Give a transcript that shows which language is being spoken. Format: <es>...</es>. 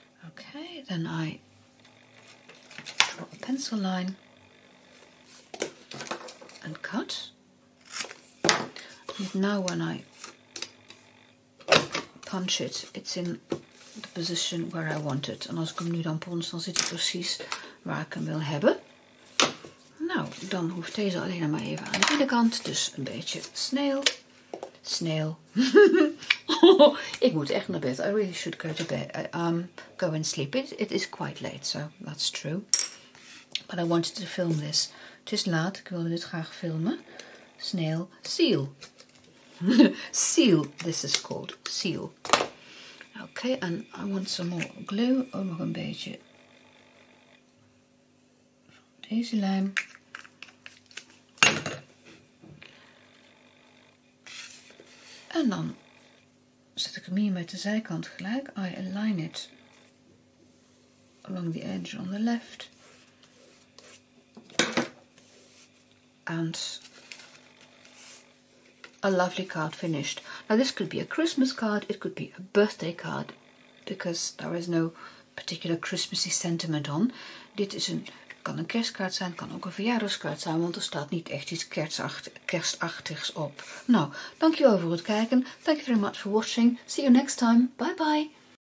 <en>Okay, then I draw a pencil line and cut. And now when I punch it, it's in the position where I want it.</en> <nl>And als ik hem nu dan pons, dan zit hij precies waar ik hem wil hebben. Nou, dan hoeft deze alleen maar even aan de binnenkant. Dus een beetje sneeuw. sneeuw. Ik moet echt naar bed.</nl> <en>I really should go to bed. Go and sleep. It is quite late, so that's true. But I wanted to film this.</en> <nl>Het is laat. Ik wilde dit graag filmen. Sneeuw. Seal. Seal.</nl> <en>This is called seal. Okay, and I want some more glue. Oh,</en> <nl>nog een beetje. Deze lijm. En dan zet ik hem hier met de zijkant gelijk.</nl> <en>I align it along the edge on the left. And a lovely card finished. Now this could be a Christmas card, it could be a birthday card, because there is no particular Christmassy sentiment on.</en> <nl>Dit is een, kan een kerstkaart zijn, kan ook een verjaardagskaart zijn, want er staat niet echt iets kerstachtigs op. Nou, dankjewel voor het kijken.</nl> <en>Thank you very much for watching. See you next time. Bye bye.</en>